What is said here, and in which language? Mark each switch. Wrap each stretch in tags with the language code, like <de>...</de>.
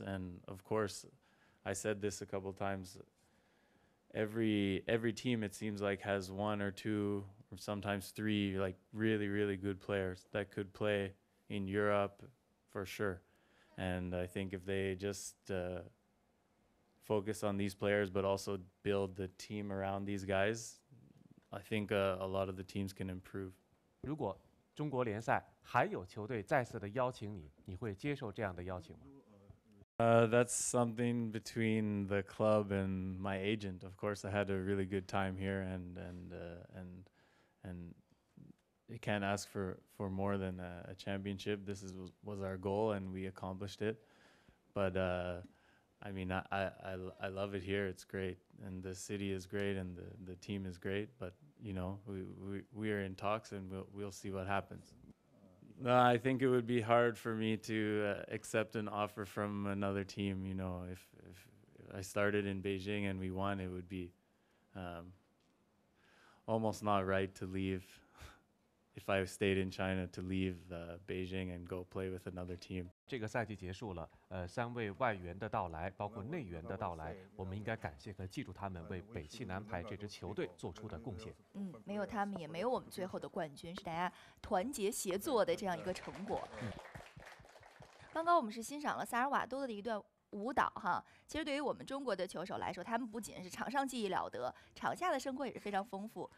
<en>And of course, I said this a couple times. Every team, it seems like, has one or two, or sometimes three, like really, really good players that could play in Europe for sure. And I think if they just focus on these players, but also build the team around these guys, I think a lot of the teams can improve.</en> <zh>如果中国联赛还有球队再次的邀请你，你会接受这样的邀请吗？</zh> <en>That's something between the club and my agent. Of course, I had a really good time here, and you can't ask for more than a championship. This was our goal, and we accomplished it. But I mean, I love it here. It's great, and the city is great, and the team is great. But you know, we are in talks, and we'll see what happens. No, I think it would be hard for me to accept an offer from another team. You know, if I started in Beijing and we won, it would be almost not right to leave. If I stayed in China to leave Beijing and go play with another team.</en> <zh>这个赛季结束了，三位外援的到来，包括内援的到来，我们应该感谢和记住他们为北汽男排这支球队做出的贡献。嗯，没有他们，也没有我们最后的冠军，是大家团结协作的这样一个成果。嗯、刚刚我们是欣赏了萨尔瓦多的一段舞蹈哈，其实对于我们中国的球手来说，他们不仅是场上技艺了得，场下的生活也是非常丰富。</zh>